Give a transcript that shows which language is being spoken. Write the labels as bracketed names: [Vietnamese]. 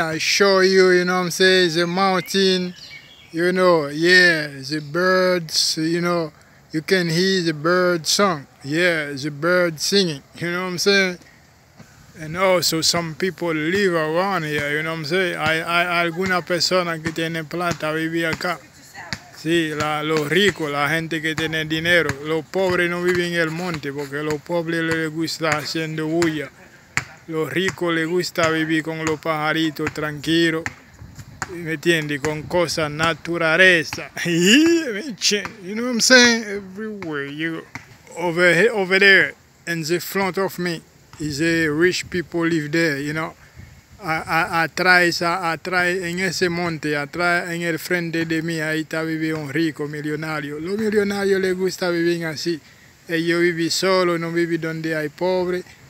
[English] I show you, you know what I'm saying? The mountain, you know, yeah, the birds, you know, you can hear the bird song, yeah, the bird singing, you know what I'm saying? And also some people live around here, you know what I'm saying? [Spanish] I alguna persona que tiene planta vive acá. Sí, la, lo rico, la gente que tiene dinero. Los pobres no viven en el monte porque los pobres les gusta haciendo bulla. Los ricos les gusta vivir con los pajaritos tranquilos, ¿me entiendes? Con cosas naturaleza. [English] You know what I'm saying? Everywhere you go. Over there, in the front of me, is a rich people live there, you know? [Spanish] Atrás, en ese monte, atrás, en el frente de mí, ahí está viviendo un rico millonario. Los millonarios les gusta vivir así. Ellos viven solo, no viven donde hay pobres.